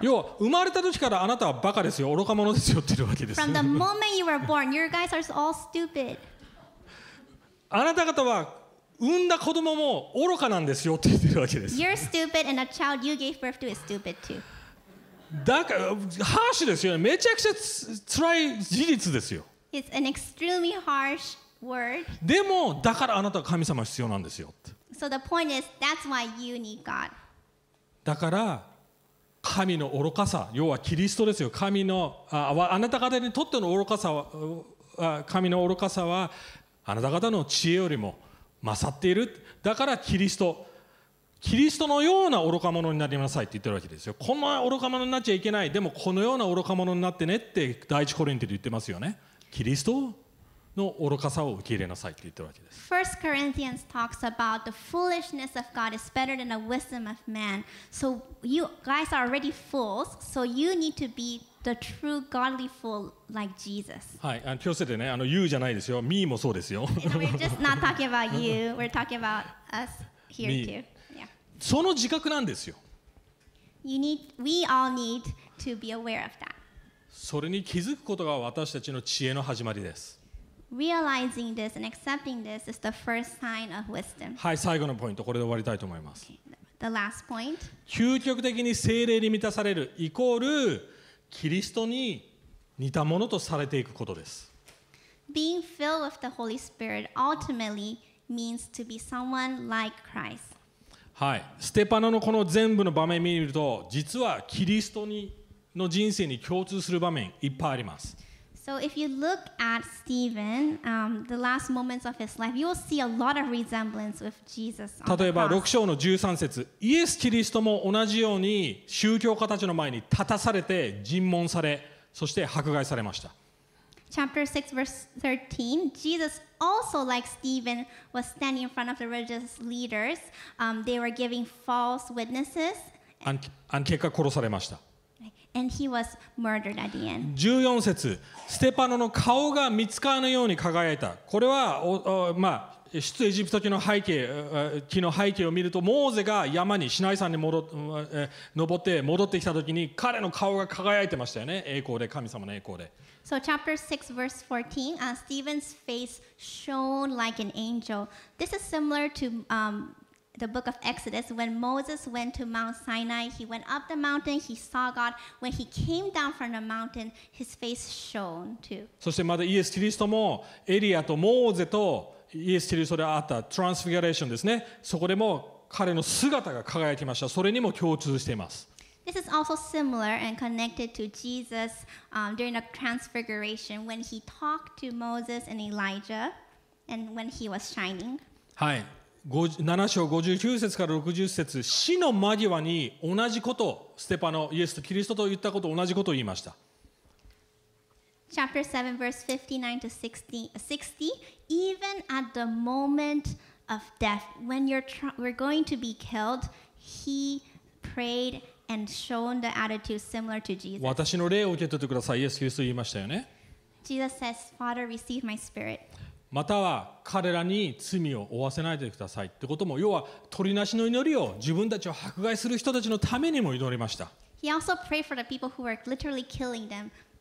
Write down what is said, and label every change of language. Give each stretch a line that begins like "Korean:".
Japanese: 要は生まれた時からあなたはバカですよ、愚か者ですよっていうわけです。
English: From the moment you were born, you guys are all stupid.
Japanese: あなた方は産んだ子供も愚かなんですよって言ってるわけです。
English: You're stupid, and a child you gave birth to is stupid too.
Japanese: だからハーシュですよね。めちゃくちゃ辛い事実ですよ。
English: It's an extremely harsh.
Japanese: でもだからあなたは神様必要なんですよ。
English: So the point is, that's why you need God.
Japanese: だから神の愚かさ、要はキリストですよ。神の あなた方にとっての愚かさは、神の愚かさはあなた方の知恵よりも勝っている。だからキリストのような愚か者になりなさいって言ってるわけですよ。こんな愚か者になっちゃいけない。でもこのような愚か者になってねって第一コリントで言ってますよね。キリストの愚かさを受け入れなさいって言ってるわけです。
English: First Corinthians talks about the foolishness of God is better than the wisdom of man. So you guys are already fools. So you need to be the true godly fool like Jesus.
Japanese: はい、気をつけてね。You じゃないですよ。Me もそうですよ。
English: We're just not talking about you. We're talking about us here too. Yeah.
Japanese: その自覚なんですよ。
English: We all need to be aware of that.
Japanese: それに気づくことが私たちの知恵の始まりです。
English: Realizing this and accepting this is the first sign of wisdom.
Japanese: はい、最後のポイント、これで終わりたいと思います。
English: Okay. The last point.
Japanese: 究極的に聖霊に満たされるイコールキリストに似たものとされていくことです。
English: Being filled with the Holy Spirit ultimately means to be someone like Christ.
Japanese: はい、ステパノのこの全部の場面を見ると、実はキリストにの人生に共通する場面いっぱいあります。
English: So if you look at Stephen, the last moments of his life, you will see a lot of resemblance with Jesus.
Japanese: 例えば6章の13節、イエス・キリストも同じように宗教家たちの前に立たされて尋問され、そして迫害されました。
English: Chapter 6 verse 13, Jesus also like Stephen was standing in front of the religious leaders. They were giving false witnesses.
Japanese: 結果殺されました。
English: And he was murdered at the end.
Japanese: 14節、ステパノの顔が御使いのように輝いた。これは、まあ、出エジプト記の背景、記の背景を見ると、モーゼが山に、シナイ山に登って戻ってきたときに、彼の顔が輝いてましたよね。栄光で、神様の栄光で。
English: So chapter 6 verse 14, Stephen's face shone like an angel. This is similar to The book of Exodus, when Moses went to Mount Sinai, he went up the mountain, he saw God. When he came down from the mountain, his face shone too.
Japanese: そしてまたイエス・キリストもエリアとモーゼとイエス・キリストで会ったトランスフィギュレーションですね。そこでも彼の姿が輝きました。それにも共通しています。
English: This is also similar and connected to Jesus, during the transfiguration when he talked to Moses and Elijah and when he was shining.
Japanese: はい。 7章59節から60節、死の間際に同じこと、ステパノ、イエスとキリストと言ったこと、同じことを言いました。
English: Chapter 7, verse 59 to 60, even at the moment of death, when we're going to be killed, he prayed and shown the attitude similar to Jesus.
Japanese: 私の霊を受け取ってください、イエス・キリスト言いましたよね。
English: Jesus says, Father, receive my spirit.
Japanese: または彼らに罪を負わせないでくださいってことも、要は取りなしの祈りを自分たちを迫害する人たちのためにも祈りました。
English: He also prayed for the people who were literally killing them.